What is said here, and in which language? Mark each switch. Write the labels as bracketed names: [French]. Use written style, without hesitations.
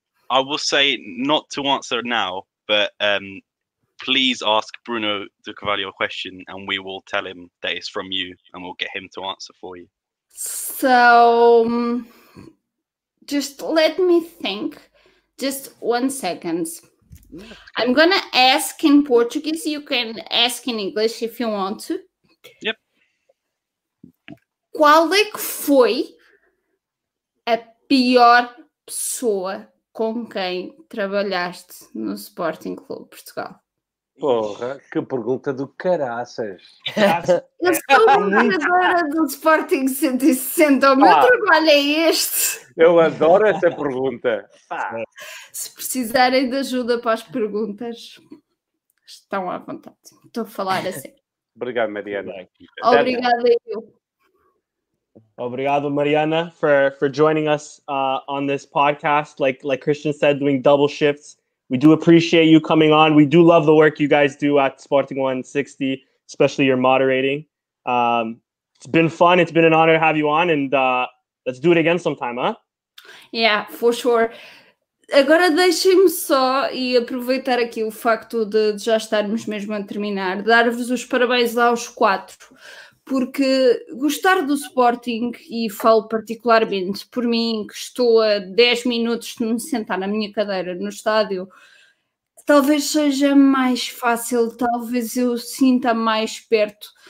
[English] I will say not to answer now, but please ask Bruno De Carvalho a question and we will tell him that it's from you and we'll get him to answer for you. So, just let me think. Just 1 second. I'm going to ask in Portuguese. You can ask in English if you want to. Yep. [Portuguese] Qual é que foi a pior pessoa com quem trabalhaste no Sporting Clube Portugal? Porra, que pergunta do caraças. Eu sou uma jogadora do Sporting 160. O meu trabalho é este. Eu adoro essa pergunta. Se precisarem de ajuda para as perguntas, estão à vontade. Estou a falar assim. Obrigado, Mariana. Obrigada, eu. Obrigado, Mariana, [English] for joining us on this podcast. Like Christian said, doing double shifts. We do appreciate you coming on. We do love the work you guys do at Sporting160, especially your moderating. It's been fun. It's been an honor to have you on. And let's do it again sometime, huh? Yeah, for sure. [Portuguese] Agora deixem-me só e aproveitar aqui o facto de já estarmos mesmo a terminar, dar-vos os parabéns aos quatro. Porque gostar do Sporting, e falo particularmente por mim, que estou a 10 minutos de me sentar na minha cadeira no estádio, talvez seja mais fácil, talvez eu sinta mais perto.